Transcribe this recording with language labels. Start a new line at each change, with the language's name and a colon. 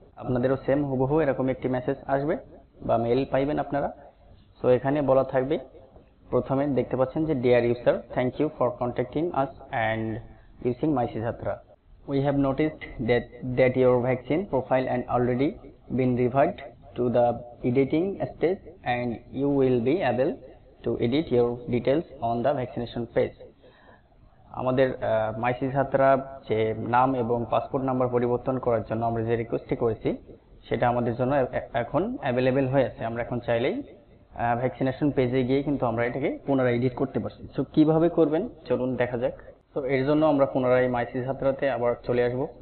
Bangla: আপনাদেরও সেম হুবহু এরকম একটি মেসেজ আসবে বা মেইল পাইবেন আপনারা। সো এখানে বলা থাকবে, প্রথমে দেখতে পাচ্ছেন যে,
English: Dear user, thank you for contacting us and using MySejahtera, we have noticed that your vaccine profile and already been revert to the editing stage and you will be able to edit your details on the vaccination page.
Bangla: আমাদের মাই সেজাহতেরা যে নাম এবং passport number পরিবর্তন করার জন্য আমরা যে রিকোয়েস্টটি করেছি সেটা আমাদের জন্য এখন অ্যাভেলেবেল হয়ে আছে। আমরা এখন চাইলেই ভ্যাকসিনেশন পেজে গিয়ে কিন্তু আমরা এটাকে পুনরায় এডিট করতে পারছি। সো কীভাবে করবেন চলুন দেখা যাক। সো এর জন্য আমরা পুনরায় মাই সেজাহতেরাতে আবার চলে আসব।